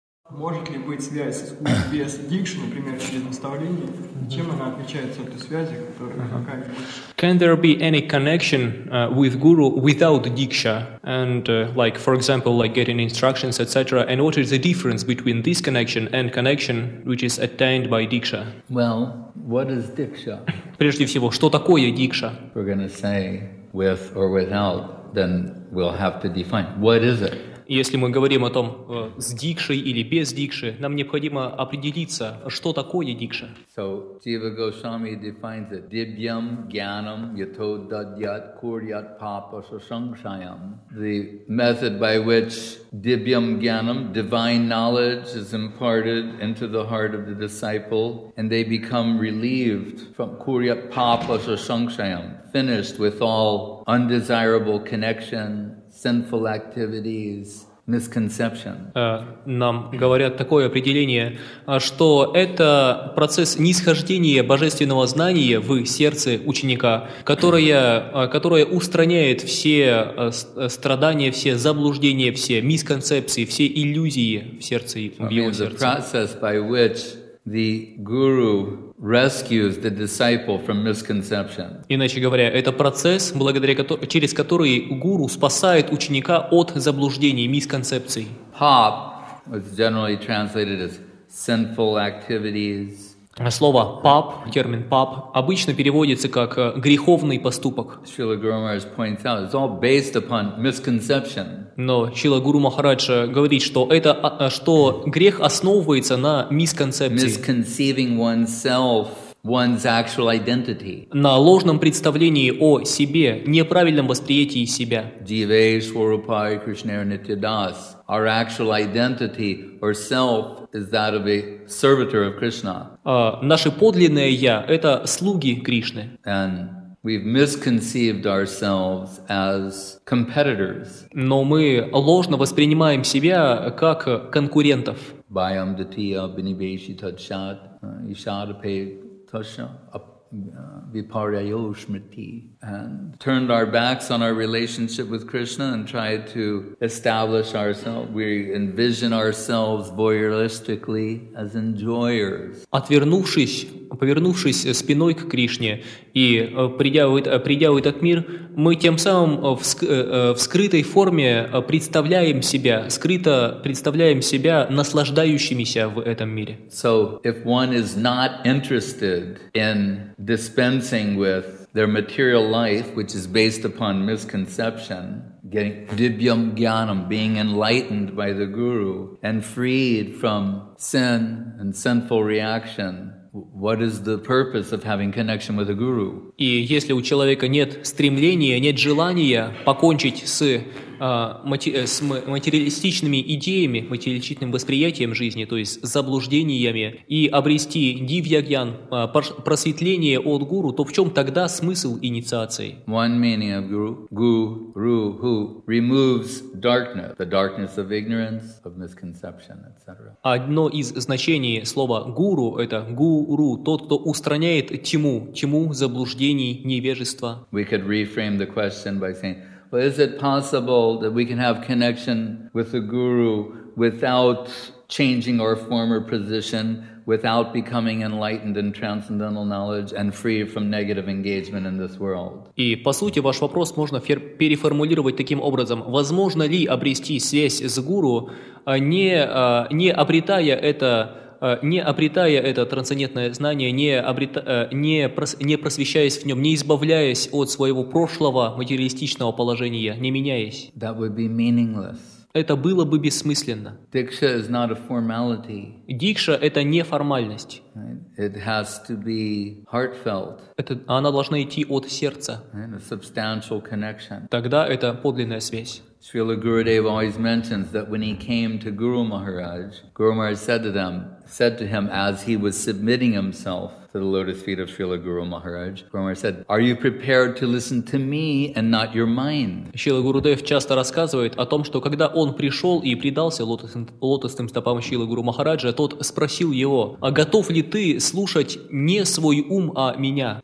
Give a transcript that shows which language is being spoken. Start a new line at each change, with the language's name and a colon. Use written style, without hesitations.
Russian: Может ли быть связь искусств без addiction, например, через наставление? Чем она отличается от той связи, которая какая-то?
English: Can there be any connection with guru without diksha? And like, for example, like getting instructions, etc. And what is the difference between this connection and connection which is attained by diksha? Well, what is diksha?
Russian: Прежде всего, что такое дикша?
English: We're going to say with or without, then we'll have to define. What is it?
Russian: Если мы говорим о том, с дикшей или без дикши, нам необходимо определиться, что такое дикша.
English: So, Jiva Goswami defines it.
Sanskrit: Dibhyam, gyanam, yato, dadyat, kuryat, papa, sasangshayam.
English: The method by which dibhyam, gyanam, divine knowledge is imparted into the heart of the disciple, and they become relieved from
Sanskrit: kuryat, papa, sasangshayam,
English: finished with all undesirable connections, sinful activities, misconception.
Russian: Нам говорят такое определение, что это процесс нисхождения божественного знания в сердце ученика, которое устраняет все страдания, все заблуждения, все мисконцепции, все иллюзии в сердце и в его сердце.
English: The process by which the guru rescues the disciple from misconception.
Russian: Иначе говоря, это процесс, благодаря через который гуру спасает ученика от заблуждений, мисконцепций.
English: Pop is generally translated as sinful activities.
Russian: Слово pop, термин pop, обычно переводится как греховный поступок.
English: Srila Guru Maharaj points out it's all based upon misconception.
Russian: Но Шрила Гуру Махарадж говорит, что это что грех основывается на мисконцепции.
English: Misconceiving oneself, one's actual identity.
Russian: На ложном представлении о себе, неправильном восприятии себя.
Sanskrit: Jivesh, Swarupai, Krishna, Nityadas.
English: Our actual identity or self is that of a servitor of Krishna.
Russian: Наше подлинное я – это слуги Кришны.
English: And we've misconceived ourselves as competitors.
Russian: Но мы ложно воспринимаем себя как конкурентов.
Sanskrit: Bhayam dhatiya binibeshi tadshat ishadape tasha viparyayo smriti.
English: And turned our backs on our relationship with Krishna and tried to establish ourselves. We envision ourselves voyeuristically as enjoyers.
Russian: Повернувшись спиной к Кришне и придя в этот мир, мы тем самым в скрытой форме представляем себя, скрыто представляем себя наслаждающимися в этом мире.
English: So, if one is not interested in dispensing with their material life, which is based upon misconception, getting dibhyam gyanam, being enlightened by the guru and freed from sin and sinful reaction, what is the purpose of having connection with a guru?
Russian: И если у человека нет стремления, нет желания покончить с материалистичными идеями, материалистичным восприятием жизни, то есть заблуждениями, и обрести дивьягьян, просветление от гуру, то в чем тогда смысл инициации?
English: One meaning of guru, who removes darkness, the darkness of ignorance, of misconception, etc.
Russian: Одно из значений слова гуру – это гуру, тот, кто устраняет тьму заблуждений, невежества.
English: We could reframe the question by saying, but is it possible that we can have connection with the guru without changing our former position, without becoming enlightened in transcendental knowledge and free from negative engagement in this world?
Russian: И по сути ваш вопрос можно переформулировать таким образом: возможно ли обрести связь с гуру, не обретая это трансцендентное знание, не просвещаясь в нем, не избавляясь от своего прошлого материалистичного положения, не меняясь?
English: That would be meaningless.
Russian: Это было бы бессмысленно.
English: Diksha is not a formality.
Russian: Дикша – это не формальность.
English: It has to be heartfelt.
Russian: Она должна идти от сердца.
English: And a substantial connection.
Russian: Тогда это подлинная связь.
English: Srila Gurudev always mentions that when he came to Guru Maharaj, Guru Maharaj said to him as he was submitting himself to the lotus feet of Srila Guru Maharaj, Guru Maharaj said, are you prepared to listen to me and not your mind?
Russian: Srila Gurudev часто рассказывает о том, что когда он пришел и предался лотосным стопам Srila Guru Maharaja, тот спросил его, а готов ли ты слушать не свой ум, а меня?